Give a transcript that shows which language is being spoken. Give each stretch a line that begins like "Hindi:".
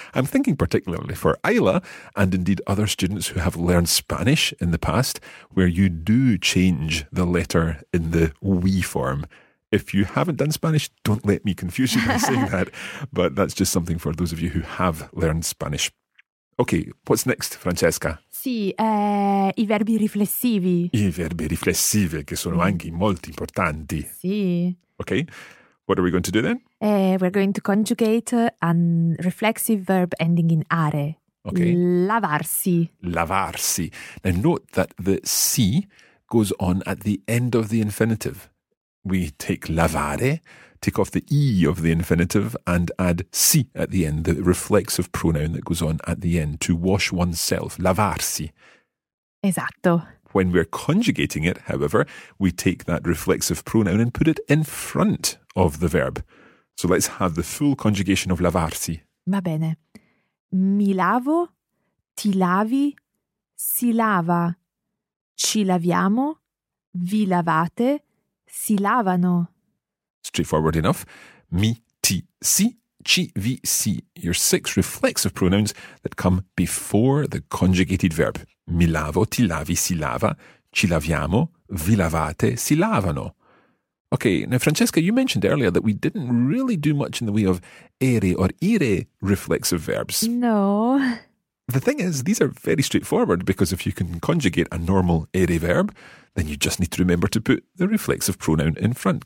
English: I'm thinking particularly for Isla and indeed other students who have learned Spanish in the past, where you do change the letter in the we form. If you haven't done Spanish, don't let me confuse you by saying that. But that's just something for those of you who have learned Spanish. Okay, what's next, Francesca?
Italian: Sì, i verbi riflessivi. I verbi riflessivi, che sono anche molto importanti. Sì.
English: Okay, what are we going to do then? We're going to conjugate a reflexive verb ending in are. Okay.
Italian: Lavarsi. Lavarsi.
English: Now note that the si goes on at the end of the infinitive. We take lavare, take off the e of the infinitive and add si at the end, the reflexive pronoun that goes on at the end, to wash oneself, lavarsi.
Italian: Esatto.
English: When we're conjugating it, however, we take that reflexive pronoun and put it in front of the verb. So let's have the full conjugation of lavarsi.
Italian: Va bene. Mi lavo, ti lavi, si lava, ci laviamo, vi lavate, si lavano.
English: Straightforward enough. Mi, ti, si, ci, vi, si. Your six reflexive pronouns that come before the conjugated verb.
Italian: Mi lavo, ti lavi, si lava, ci laviamo, vi lavate, si lavano.
English: Okay, now Francesca, you mentioned earlier that we didn't really do much in the way of ere or ire reflexive verbs. No. The thing is, these are very straightforward because if you can conjugate a normal ere verb, then you just need to remember to put the reflexive pronoun in front.